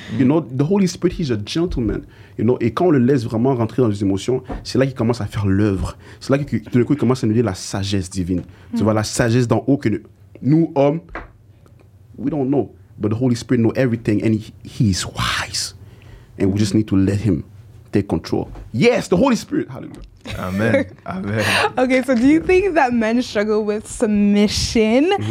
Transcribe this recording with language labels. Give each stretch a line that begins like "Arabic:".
English: You know, the Holy Spirit, He's a gentleman. You know,
French: et quand on le laisse vraiment rentrer dans les émotions, c'est là qu'il commence à faire l'œuvre. C'est là que tout d'un coup, il commence à nous dire la sagesse divine. Tu vois, la sagesse d'en haut que nous, hommes,
English: we don't know, but the Holy Spirit knows everything, and he is wise, and we just need to let Him take control. Yes, the Holy Spirit. Hallelujah. Amen. Amen. Okay, so do you think that men struggle with submission?